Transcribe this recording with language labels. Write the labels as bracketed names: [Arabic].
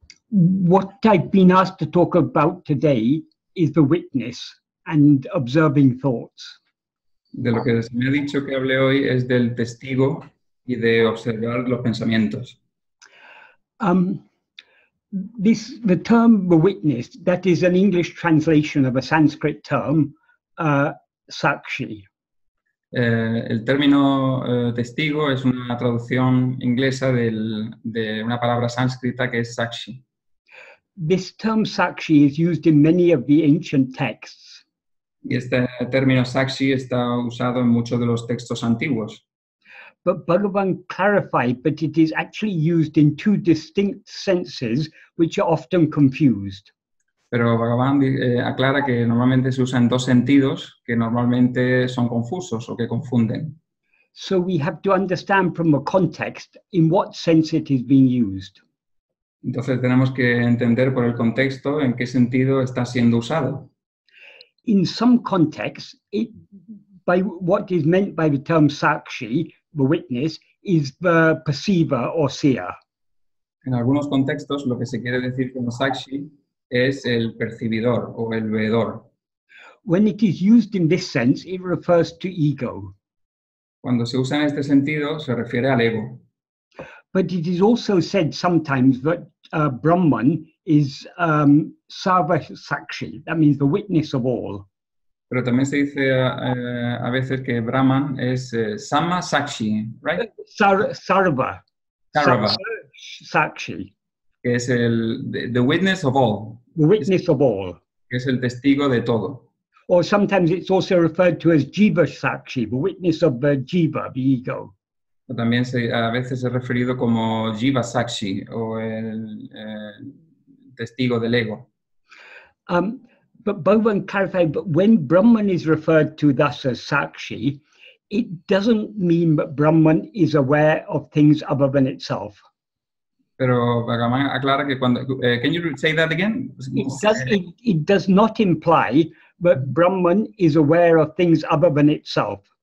[English] What I've been asked to talk about today is the witness and observing thoughts. [Spanish] De lo que se me ha dicho que hable hoy es del testigo y de observar los pensamientos. [English] The term the witness, that is an English translation of a Sanskrit term, sakshi. [Spanish] El término testigo es una traducción inglesa de una palabra sánscrita que es sakshi. [English] This term sakshi is used in many of the ancient texts. [Spanish] Y este término sakshi está usado en muchos de los textos antiguos. [English] But Bhagavan clarified that it is actually used in two distinct senses, which are often confused. [Spanish] Pero Bhagavan aclara que normalmente se usa en dos sentidos que normalmente son confusos o que confunden. [English] So we have to understand from the context in what sense it is being used. [Spanish] Entonces tenemos que entender por el contexto en qué sentido está siendo usado. [English] In some contexts, by what is meant by the term sakshi, the witness, is the perceiver or seer. [Spanish] En algunos contextos, lo que se quiere decir como sakshi es el percibidor o el veedor. [English] When it is used in this sense, it refers to ego. [Spanish] Cuando se usa en este sentido, se refiere al ego. [English] But it is also said sometimes that Brahman is sarva sakshi, that means the witness of all. [Spanish] Pero también se dice a veces que Brahman es sama sakshi, right? [Sanskrit] Sarva sakshi. [Spanish] Que es el [English] the witness of all. The witness of all. [Spanish] Que es el testigo de todo. [English] Or sometimes it's also referred to as jiva sakshi, the witness of the jiva, the ego. [Spanish] O también a veces es referido como jiva sakshi, o el testigo del ego. [English] But Bhagavan clarified that when Brahman is referred to thus as sakshi, it doesn't mean that Brahman is aware of things other than itself. [Spanish] Pero Bhagavan aclara que cuando... [English] can you say that again? It does not imply that Brahman is aware of things other than itself.